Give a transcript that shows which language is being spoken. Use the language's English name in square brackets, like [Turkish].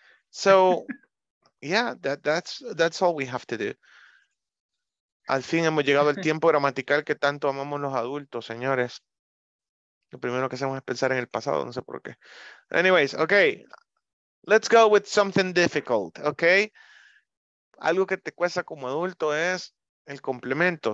[English] So, yeah, that's all we have to do. [Spanish] Al fin hemos llegado al tiempo gramatical que tanto amamos los adultos, señores. Lo primero que hacemos es pensar en el pasado, no sé por qué. [English] Anyways, okay, let's go with something difficult, okay? [Spanish] Algo que te cuesta como adulto es el complemento.